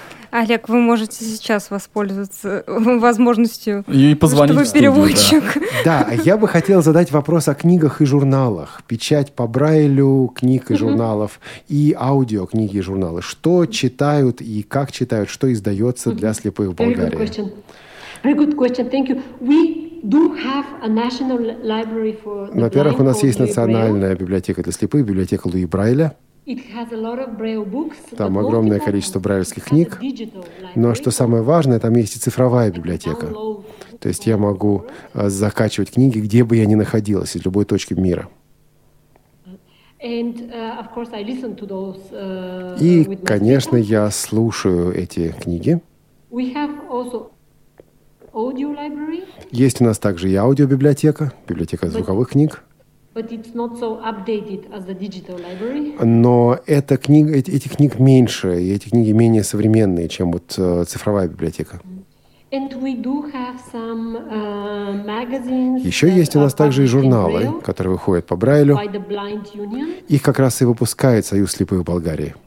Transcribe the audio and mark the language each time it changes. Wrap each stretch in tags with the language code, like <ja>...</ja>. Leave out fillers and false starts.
<ru>Олег, вы можете сейчас воспользоваться возможностью, чтобы переводчик. Да, я бы хотел задать вопрос о книгах и журналах. Печать по Брайлю книг и журналов и аудиокниги и журналы. Что читают и как читают, что издается для слепых в Болгарии?</ru> <en>Very good question. Very good question. Thank you. We do have a national library for the blind.</en> <ru>Во-первых, у нас есть национальная библиотека для слепых, библиотека Луи Брайля.</ru> <en>It has a lot of Braille books,</en> <ru>там огромное количество брайлевских книг. Но что самое важное, там есть и цифровая библиотека. То есть я могу закачивать книги, где бы я ни находилась, из любой точки мира.</ru> <en>And, of course, I listen to those,</en> <ru>и, конечно, я слушаю эти книги.</ru> <en>We have also audio library.</en> <ru>Есть у нас также и аудиобиблиотека, библиотека звуковых книг.</ru> <en>But it's not so updated as the digital library.</en> <ru>Но эта книга, эти книг меньше, и эти книги менее современные, чем вот цифровая библиотека.</ru> <en>And we do have some, magazines,</en> <ru>Еще есть у нас также и журналы,</ru> <en>Braille,</en> <ru>которые выходят по Брайлю.</ru> <en>By the Blind Union.</en> <ru>Их как раз и выпускает Союз слепых Болгарии.</ru>